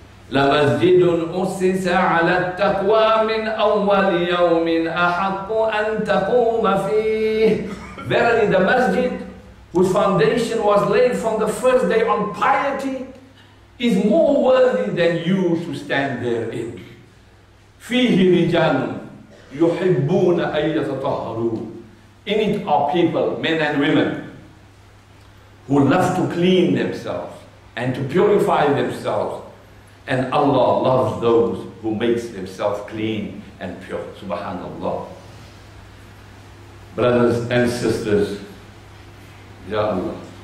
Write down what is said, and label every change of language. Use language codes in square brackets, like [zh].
[ar] لمسجد أسس على التقوى من أول يوم أحق أن تقوم فيه. [en] Verily, the masjid whose foundation was laid from the first day on piety is more worthy than you to stand therein. [ar] فيه رجال يحبون أن يتطهروا. [en] In it are people, men and women, who love to clean themselves and to purify themselves. And Allah loves those who makes themselves clean and pure. Subhanallah. Brothers and sisters, Ya Allah.